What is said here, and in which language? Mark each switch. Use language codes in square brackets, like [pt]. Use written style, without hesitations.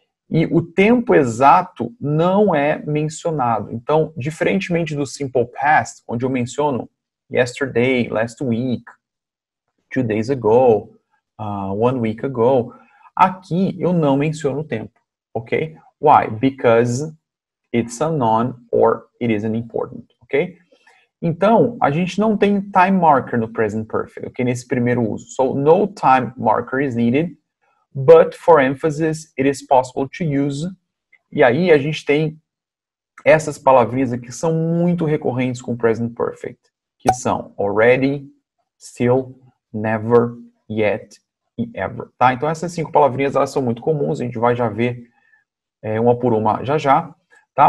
[pt] E o tempo exato não é mencionado. Então, diferentemente do simple past, onde eu menciono yesterday, last week, 2 days ago, 1 week ago, aqui eu não menciono o tempo, ok? [en] Why? Because it's unknown or it isn't important, ok? [pt] Então, a gente não tem time marker no present perfect, ok? Nesse primeiro uso. [en] So, no time marker is needed. But for emphasis, it is possible to use. [pt] E aí a gente tem essas palavrinhas aqui que são muito recorrentes com present perfect, que são already, still, never, yet e ever. Tá? Então essas cinco palavrinhas elas são muito comuns, a gente vai já ver uma por uma já já. Tá?